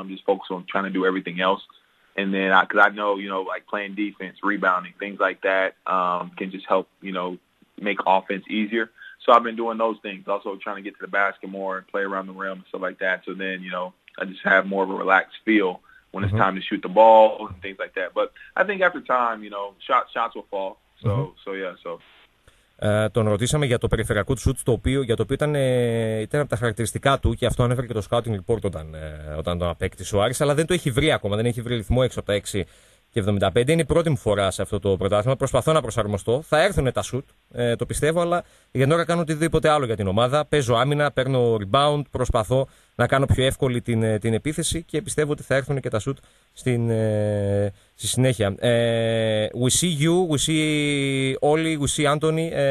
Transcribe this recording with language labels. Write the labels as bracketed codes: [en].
[en] I'm just focused on trying to do everything else. And then because I know, you know, like playing defense, rebounding, things like that can just help, you know, make offense easier. So I've been doing those things, also trying to get to the basket more and play around the rim and stuff like that. So then, you know, I just have more of a relaxed feel when it's mm-hmm. time to shoot the ball and things like that. But I think after time, you know, shots will fall. So, mm-hmm. so yeah, so. [el] Τον ρωτήσαμε για το περιφερειακό του σούτ, για το οποίο ήταν από τα χαρακτηριστικά του και αυτό ανέφερε και το scouting report όταν τον απέκτησε ο Άρης, αλλά δεν το έχει βρει ακόμα, δεν έχει βρει ρυθμό έξω από τα 6.75. Είναι η πρώτη μου φορά σε αυτό το πρωτάθλημα. Προσπαθώ να προσαρμοστώ. Θα έρθουν τα σουτ, το πιστεύω, αλλά για την ώρα κάνω οτιδήποτε άλλο για την ομάδα. Παίζω άμυνα, παίρνω rebound, προσπαθώ να κάνω πιο εύκολη την επίθεση και πιστεύω ότι θα έρθουν και τα σουτ στη συνέχεια. [en] We see you, we see Oli, we see Anthony.